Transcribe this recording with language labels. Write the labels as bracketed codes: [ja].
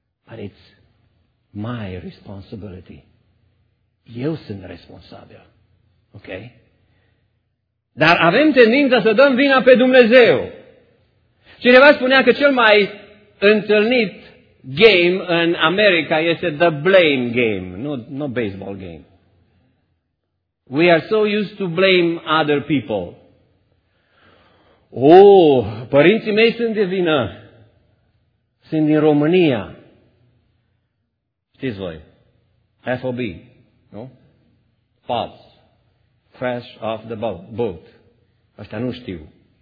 [en] But it's my responsibility. [ro] Eu sunt responsabil. [en] Ok? [ro] Dar avem tendința să dăm vina pe Dumnezeu. Cineva spunea că cel mai întâlnit game în America este [en] the blame game, [ro] nu [en] baseball game. We are so used to blame other people. [ro] Oh, părinții mei sunt de vină. Sunt din România. Știți voi? [en] FOB, [ro] nu? [en] False. Fresh off the boat. [ro] Ăștia nu știu.